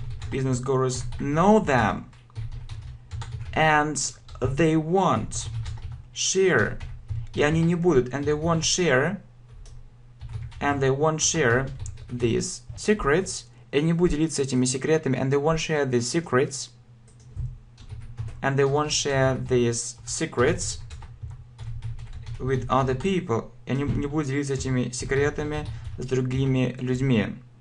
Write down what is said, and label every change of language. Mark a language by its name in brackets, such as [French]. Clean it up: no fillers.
[English] Business gurus know them. And they won't share. [Russian] И они не будут. [English] And they won't share. And they won't share these secrets. [Russian] И не будут делиться этими секретами. [English] And they won't share these secrets. And they won't share these secrets with other people. [Russian] И они не будут делиться этими секретами с другими людьми.